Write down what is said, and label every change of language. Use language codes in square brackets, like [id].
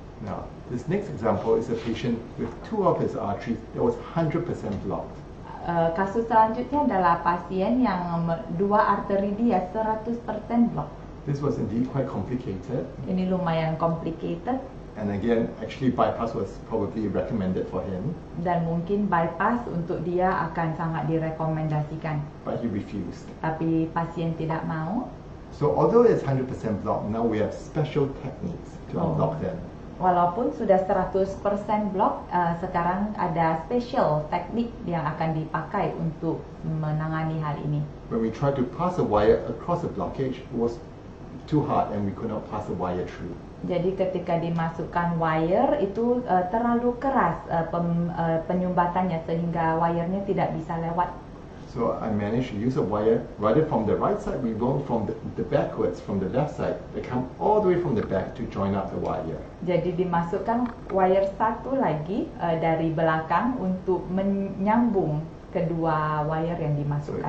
[en] Now, this next example is a patient with two of his arteries that was 100% blocked. [id] Kasus selanjutnya adalah pasien yang dua arteri dia 100% blocked. [en] This was indeed quite complicated. [id] Ini lumayan complicated. [en] And again, actually bypass was probably recommended for him. [id] Dan mungkin bypass untuk dia akan sangat direkomendasikan. [en] But he refused. [id] Tapi pasien tidak mau. [en] So although it's 100% blocked, now we have special techniques to unblock them. [id] Walaupun sudah 100% blocked, sekarang ada special teknik yang akan dipakai untuk menangani hal ini. [en] When we tried to pass a wire across the blockage, it was too hard and we could not pass the wire through. [id] Jadi ketika dimasukkan wire itu terlalu keras penyumbatannya sehingga wirenya tidak bisa lewat. [en] So I managed to use a wire rather from the right side, we wound from the backwards from the left side. They come all the way from the back to join up the wire. [id] Jadi dimasukkan wire satu lagi dari belakang untuk menyambung kedua wire yang dimasukkan.